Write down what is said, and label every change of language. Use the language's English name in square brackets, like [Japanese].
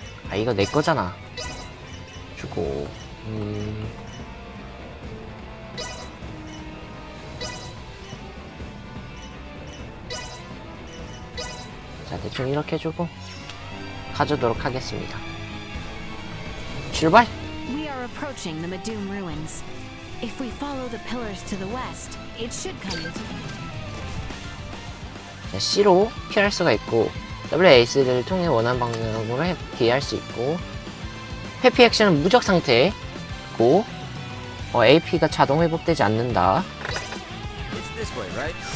[Korean] 아, 이거 내 거잖아. 주고. 자, 대충 이렇게 주고 가져도록 하겠습니다. 출발. [English] We are approaching the Madum ruins. If we follow the pillars to the west, it should come into view. [Korean] 자, C로 피할 수가 있고 WASD를 통해 원하는 방향으로 회피할 수 있고 회피 액션은 무적 상태고 AP가 자동 회복되지 않는다. [English] It's this way, right?